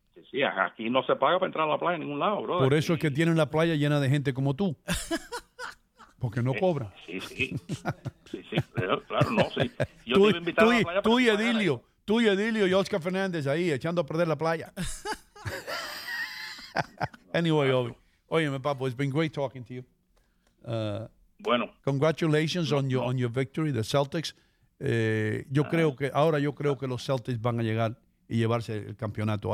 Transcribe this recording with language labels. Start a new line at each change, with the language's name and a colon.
Spanish: Sí, aquí no se paga para entrar a la playa en ningún lado, brother. Por eso es que tienen la playa llena de gente como tú. Porque no cobra. Sí. Sí, claro, no, sí. Yo te iba a invitar a la playa. Tú y Edilio, y Oscar Fernández ahí, echando a perder la playa.
English: Anyway, Obi.
Spanish: Óyeme, papo,
English: it's been great talking to you.
Spanish: Bueno,
English: congratulations on your victory, the Celtics.
Spanish: Yo creo que los Celtics van a llegar y llevarse el campeonato.